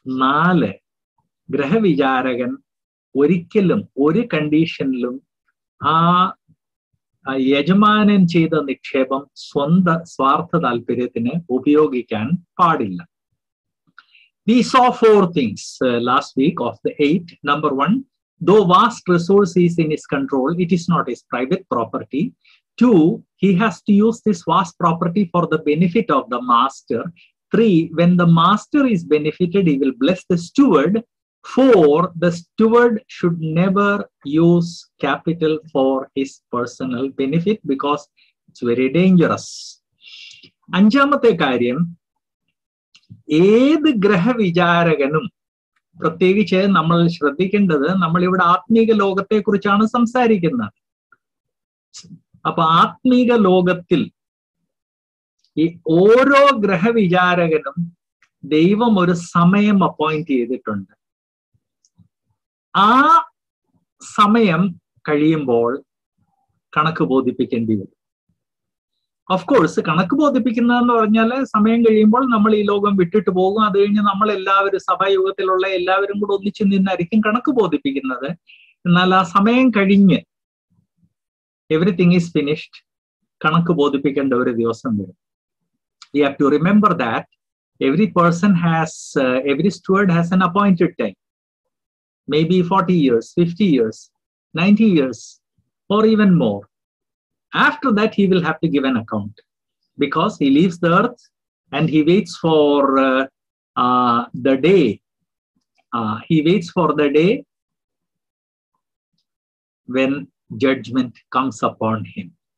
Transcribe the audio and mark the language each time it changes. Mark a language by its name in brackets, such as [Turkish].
[Malayalam] 4, ഗ്രഹവിചാരകൻ ഒരിക്കലും ഒരു കണ്ടീഷനിലും ആ യജമാനൻ ചെയ്ത നിക്ഷേപം സ്വന്ത സ്വാർത്ഥ താല്പര്യത്തിന് ഉപയോഗിക്കാൻ പാടില്ല. [English] We saw 4 things last week of the 8. Number 1, though vast resources in his control, it is not his private property. 2, he has to use this vast property for the benefit of the master. 3, when the master is benefited, he will bless the steward. 4, the steward should never use capital for his personal benefit because it's very dangerous. [Malayalam] 5th കാര്യം, ഏത് ഗ്രഹവിചാരകനും, പ്രത്യേകിച്ച് നമ്മൾ ശ്രദ്ധിക്കേണ്ടത് നമ്മൾ ഇവിടെ ആത്മീക ലോകത്തെ കുറിച്ചാണ് സംസാരിക്കുന്നത്. അപ്പൊ ആത്മീക ലോകത്തിൽ ഈ ഓരോ ഗ്രഹവിചാരകനും ദൈവം ഒരു സമയം അപ്പോയിന്റ് ചെയ്തിട്ടുണ്ട്. ആ സമയം കഴിയുമ്പോൾ കണക്ക് ബോധിപ്പിക്കേണ്ടി വരും. [English] of course [Malayalam] കണക്ക് ബോധിപ്പിക്കുന്നതെന്ന് പറഞ്ഞാല് സമയം കഴിയുമ്പോൾ നമ്മൾ ഈ ലോകം വിട്ടിട്ട് പോകും. അത് കഴിഞ്ഞ് നമ്മൾ എല്ലാവരും സഭായോഗത്തിലുള്ള എല്ലാവരും കൂടെ ഒന്നിച്ച് നിന്നായിരിക്കും കണക്ക് ബോധിപ്പിക്കുന്നത്. എന്നാൽ ആ സമയം കഴിഞ്ഞ് [English] everything is finished [Malayalam] കണക്ക് ബോധിപ്പിക്കേണ്ട ഒരു ദിവസം വരും. [English] We have to remember that every person has every steward has an appointed time. May be 40 years, 50 years, 90 years, or even more. After that, he will have to give an account because he leaves the earth and he waits for the day. He waits for the day when judgment comes upon him.